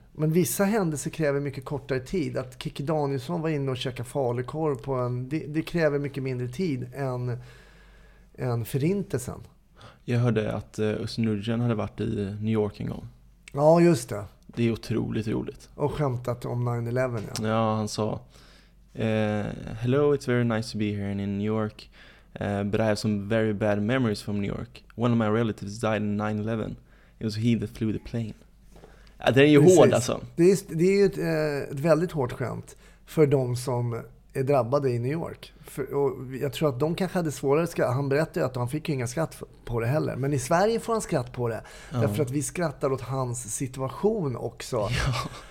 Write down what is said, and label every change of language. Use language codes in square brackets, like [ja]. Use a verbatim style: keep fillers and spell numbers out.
[sv] Men vissa händelser kräver mycket kortare tid. Att Kikki Danielsson var inne och käkade falukorv på en, det, det kräver mycket mindre tid än, än förintelsen. Jag hörde att Özz Nujen hade varit i New York en gång. Ja, just det. Det är otroligt roligt. Och skämtat om nine eleven, ja. Ja, han sa eh, [en] hello, it's very nice to be here in New York, uh, but I have some very bad memories from New York. One of my relatives died in nine eleven. It was he that flew the plane. [sv] Ja, det är ju hård alltså. Det är, det är ju ett, ett väldigt hårt skämt för de som är drabbade i New York. För, och jag tror att de kanske hade svårare skratt. Han berättade ju att han fick inga skratt på det heller. Men i Sverige får han skratt på det. Ja. Därför att vi skrattar åt hans situation också. Ja.